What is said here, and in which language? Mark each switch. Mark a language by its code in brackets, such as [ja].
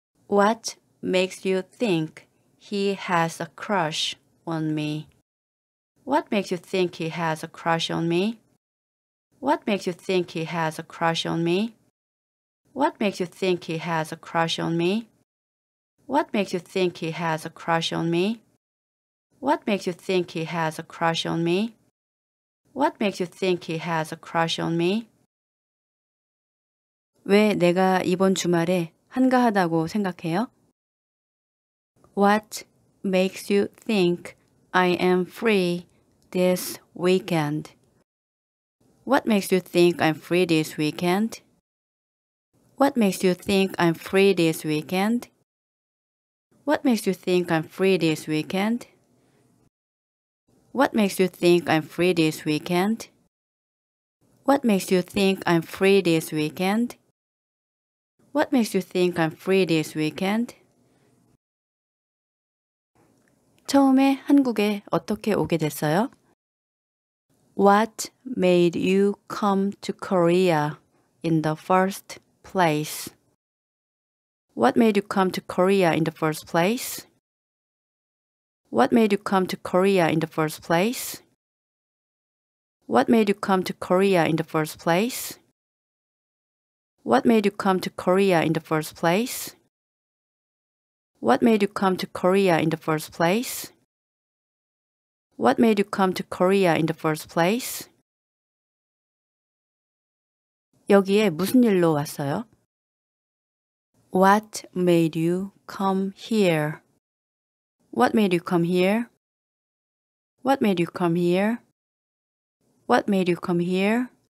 [en] What makes you think he has a crush on me? What makes you think he has a crush on me? What makes you think he has a crush on me? What makes you think he has a crush on me? What makes you think he has a crush on me? What makes you think he has a crush on me? What makes you think he has a crush on me? [ko] 왜 내가 이번 주말에 한가하다고 생각해요? [en] What makes you think I am free this weekend? What makes you think I'm free this weekend? What makes you think I'm free this weekend? What makes you think I'm free this weekend? What makes you think I'm free this weekend? What makes you think I'm free this weekend? What makes you think I'm free this weekend? [ko] 처음에 한국에 어떻게 오게 됐어요? [en] What made you come to Korea in the first place? What made you come to Korea in the first place? What made you come to Korea in the first place? What made you come to Korea in the first place? What made you come to Korea in the first place? What made you come to Korea in the first place? What made you come to Korea in the first place? [ko] 여기에 무슨 일로 왔어요? [en] What made you come here? What made you come here? What made you come here? What made you come here?